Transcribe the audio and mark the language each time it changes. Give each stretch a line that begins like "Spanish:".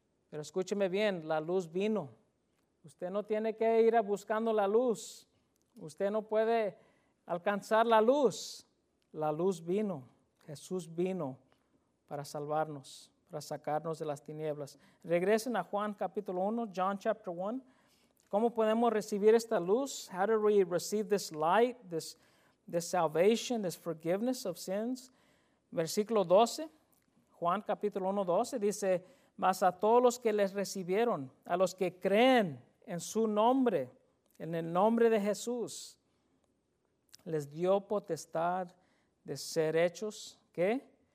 Spanish: Pero escúcheme bien, la luz vino. Usted no tiene que ir a buscando la luz. Usted no puede alcanzar la luz. La luz vino. Jesús vino para salvarnos, para sacarnos de las tinieblas. Regresen a Juan capítulo 1,
English: John chapter 1.
Spanish: ¿Cómo podemos recibir esta luz?
English: How do we receive this light, this salvation, this forgiveness of sins?
Spanish: Versículo 12, Juan capítulo 1, 12, dice, mas a todos los que les recibieron, a los que creen en su nombre, en el nombre de Jesús, les dio potestad de ser hechos, ¿qué?